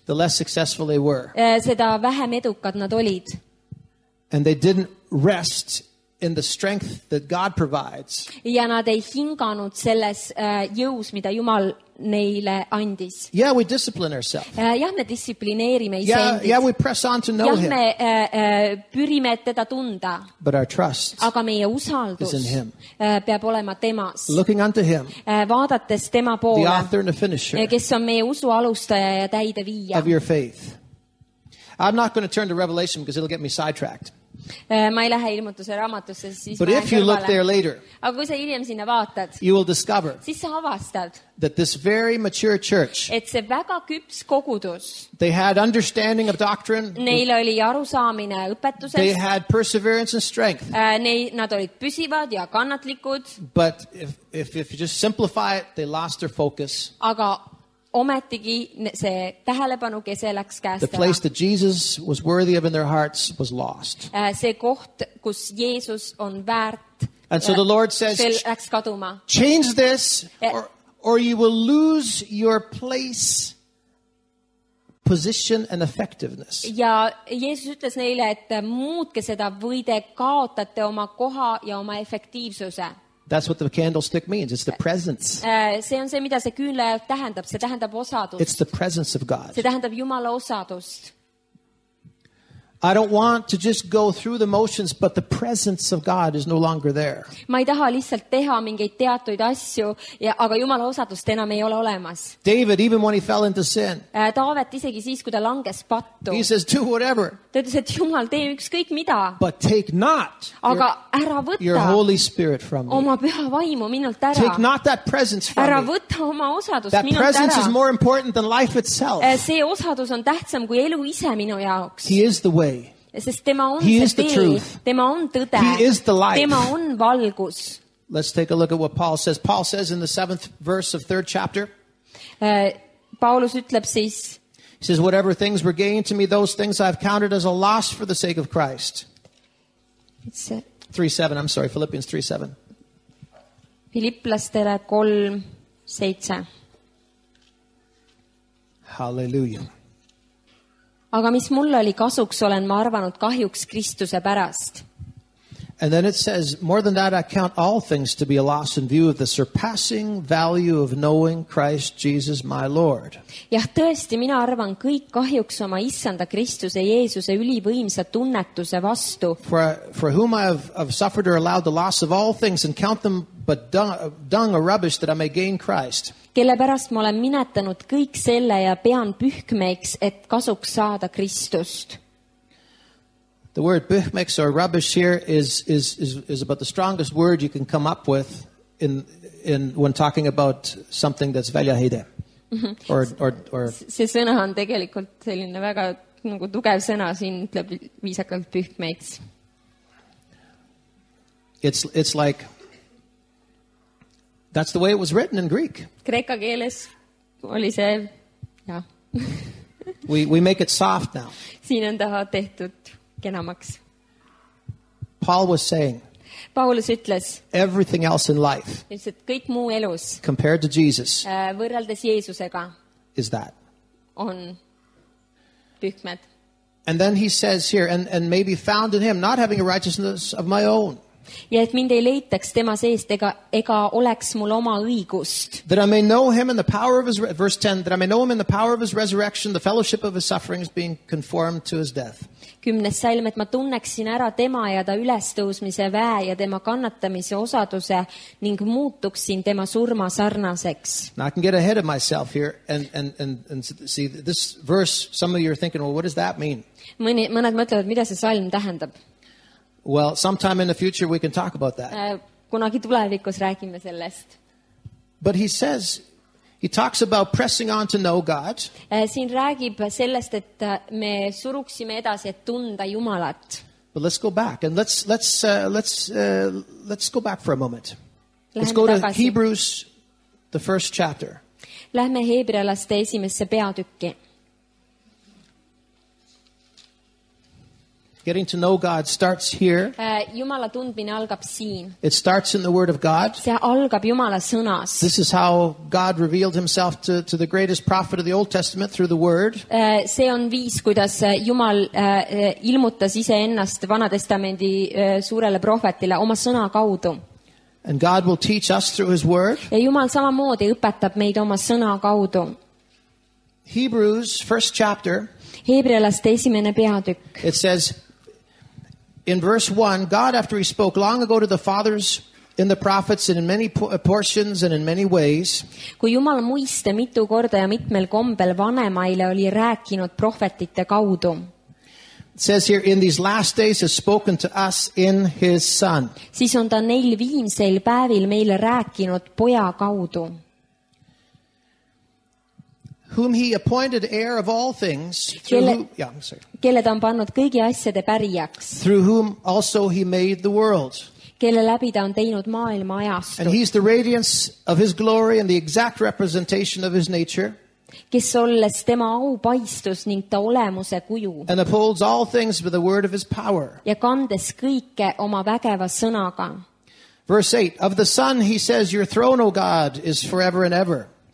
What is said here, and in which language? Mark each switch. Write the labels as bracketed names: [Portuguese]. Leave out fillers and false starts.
[English] the less successful they were. [Estonian] Seda vähem edu nad olid. [English] And they didn't rest in the strength that God provides. [Estonian] Ja nad ei hinganud selles jõus, mida Jumal neile andis. [English] Yeah, we discipline ourselves. [Estonian] Jah, me distsiplineerime iseendid. [English] Yeah, we press on to know [Estonian] jah, [English] him. [Estonian] Me pürime teda tunda. [English] But our trust, [Estonian] aga meie usaldus, [English] is in him. [Estonian] Peab olema temas. [English] Looking unto him. [Estonian] Vaadates tema poole. [English] The author and the finisher. [Estonian] Kes on meie usu alustaja ja täide viia. [English] Of your faith. I'm not going to turn to Revelation because it'll get me sidetracked. [Estonian] Ma ei lähe ilmutuse raamatusse, siis [English] but if you look there later, [Estonian] aga kui sa hiljem sinna vaatad, [English] you will discover, [Estonian] siis sa avastad, [English] that this very mature church, [Estonian] et see väga küps kogudus, [English] they had understanding of doctrine, [Estonian] neil oli arusaamine õpetusest, [English] they had perseverance and strength, [Estonian] nad olid püsivad ja kannatlikud, [English] but if you just simplify it, they lost their focus. [Estonian] Aga ometigi see tähelepanu, kes see läks käest ära. [English] The place that Jesus was worthy of in their hearts was lost. [Estonian] See koht, kus Jeesus on väärt. [English] And so the Lord says, change this or you will lose your place, position and effectiveness. [Estonian] Ja Jeesus ütles neile, et muutke seda või te kaotate oma koha ja oma efektiivsuse. [English] That's what the candlestick means. It's the presence. [Estonian] See on see, mida see küünla tähendab. See tähendab osadust. [English] It's the presence of God. [Estonian] See tähendab Jumala osadust. [English] I don't want to just go through the motions, but the presence of God is no longer there. [Estonian] Ma ei taha lihtsalt teha mingeid teatud asju, ja, aga Jumala osadust enam ei ole olemas. [English] David, even when he fell into sin, [Estonian] Taavet isegi siis, kui ta langes pattu, [English] he says, do whatever. [Estonian] Ta ütles, et Jumal, tee ükskõik mida. [English] But take not [Estonian] aga [English] your, [Estonian] ära võta [English] your Holy Spirit from me. [Estonian] Oma püha vaimu minult ära. [English] Take not that presence from [Estonian] ära [English] me. [Estonian] Võta oma osadust [English] that [Estonian] minult [English] presence [Estonian] ära. [English] Is more important than life itself. [Estonian] See osadus on tähtsam kui elu ise minu jaoks. [English] He is the way. [Estonian] Sest tema on [English] he [Estonian] see [English] is the [Estonian] tee. [English] Truth. [Estonian] Tema on tõde. [English] He is the life. [Estonian] Tema on valgus. [English] Let's take a look at what Paul says. Paul says in the 7th verse of 3rd chapter. [Estonian] Paulus ütleb siis. [English] He says, whatever things were gained to me, those things I've counted as a loss for the sake of Christ. 3:7, I'm sorry, Philippians 3:7. [Estonian] Filipplastele 3:7. [English] Hallelujah. [Estonian] Aga mis mulle oli kasuks, olen ma arvanud kahjuks Kristuse pärast. [English] And then it says, more than that, I count all things to be a loss in view of the surpassing value of knowing Christ Jesus my Lord. [Estonian] Ja tõesti, mina arvan kõik kahjuks oma issanda Kristuse Jeesuse ülivõimsa tunnetuse vastu. [English] For whom I have suffered or allowed the loss of all things and count them but dung or rubbish that I may gain Christ. [Estonian] Kelle pärast ma olen minetanud kõik selle ja pean pühkmeks, et kasuks saada Kristust. [English] The word pühkmeks or rubbish here is about the strongest word you can come up with in when talking about something that's väljahide. Or [Estonian] see sõna on tegelikult selline väga nagu tugev sõna siin ütleb viisakalt pühkmeks. [English] It's like that's the way it was written in Greek. [Estonian] Kreeka keeles oli see ja. [English] we make it soft now. [Estonian] Siin on taha tehtud kenamaks. [English] Paul was saying. [Estonian] Paulus ütles. [English] Everything else in life. [Estonian] Et kõik muu elus. [English] Compared to Jesus. [Estonian] Võrreldes Jeesusega. [English] Is that? [Estonian] On pühkmed. [English] And then he says here and may be found in him not having a righteousness of my own. [Estonian] Ja et mind ei leitaks tema seest ega oleks mul oma õigust. [English] That I may know him in the power of his verse 10 that I may know him in the power of his resurrection the fellowship of his sufferings being conformed to his death. [Estonian] Kümnes salm, et ma tunneksin ära tema ja ta ülestõusmise väe ja tema kannatamise osaduse ning muutuksin tema surma sarnaseks. [English] Now I can get ahead of myself here and see this verse some of you are thinking well what does that mean? [Estonian] Mõned mõtlevad mida see salm tähendab. [English] Well, sometime in the future we can talk about that. [Estonian] Kunagi tulevikus räägime sellest. [English] But he says, he talks about pressing on to know God. [Estonian] Siin räägib sellest, et me suruksime edasi, et tunda Jumalat. [English] But let's go back and let's go back for a moment. [Estonian] Lähme [English] let's go [Estonian] tagasi. [English] To Hebrews, the first chapter. [Estonian] Lähme heebrealaste esimesse peatükki. [English] Getting to know God starts here. [Estonian] Jumala tundmine algab siin. [English] It starts in the Word of God. [Estonian] See algab Jumala sõnas. [English] This is how God revealed himself to the greatest prophet of the Old Testament through the Word. [Estonian] See on viis, kuidas Jumal ilmutas ise ennast Vanatestamendi suurele prohvetile oma sõna kaudu. [English] And God will teach us through his Word. [Estonian] Ja Jumal samamoodi õpetab meid oma sõna kaudu. [English] Hebrews, first chapter. [Estonian] Heebrealaste esimene peatükk. [English] It says, in verse 1, God, after he spoke long ago to the fathers in the prophets and in many portions and in many ways, [Estonian] kui Jumal muiste mitu korda ja mitmel kombel vanemaile oli rääkinud prohvetite kaudu. [English] It says here, in these last days has spoken to us in his son. [Estonian] Siis on ta neil viimsel päevil meile rääkinud poja kaudu. [English] Whom he appointed heir of all things [Estonian] kelle ta on pannud kõigi asjade pärijaks [English] through whom also he made the world [Estonian] kelle läbi ta on teinud maailma ajastu [English] and he is the radiance of his glory and the exact representation of his nature [Estonian] kes olles tema au paistus ning ta olemuse kuju [English] and upholds all things with the word of his power [Estonian] ja kandes kõike oma vägeva sõnaga [English] verse 8 of the son he says your throne o god is forever and ever